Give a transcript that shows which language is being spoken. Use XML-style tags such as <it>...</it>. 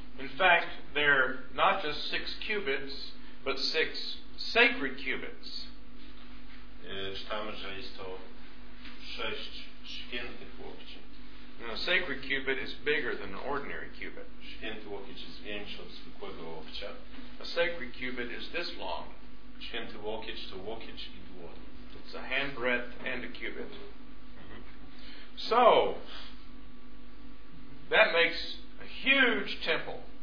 <en>In fact, they're not just 6 cubits, but 6 sacred cubits.</en> <pl>Czytamy, że jest to 6 świętych łokci.</pl> <en>A sacred cubit is bigger than an ordinary cubit.</en> <pl>Święty łokieć jest większy od zwykłego łokcia.</pl> <en>A sacred cubit is this long.</en> <pl>Święty łokieć to łokieć i dłoń.</pl> <en>It's a handbreadth and a cubit. Mm-hmm. So, that makes a huge temple.</en>